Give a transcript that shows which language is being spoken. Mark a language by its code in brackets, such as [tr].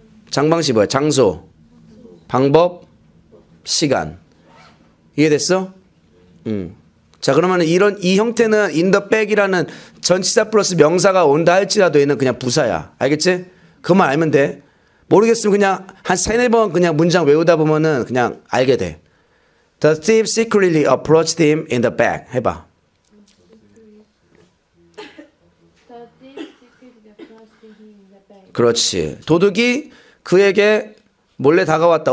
[ko] 장방시 뭐야? 장소, 방법, 시간. 이해됐어? 자, 그러면 이런 이 형태는 in the back이라는 전치사 플러스 명사가 온다 할지라도 얘는 그냥 부사야. 알겠지? 그만 알면 돼. 모르겠으면 그냥 한 세네 번 그냥 문장 외우다 보면은 그냥 알게 돼. [en] The thief secretly approached him in the back. [ko] 해봐. [en] The thief secretly approached him in the back. [ko] 그렇지. 도둑이 그에게 몰래 다가왔다.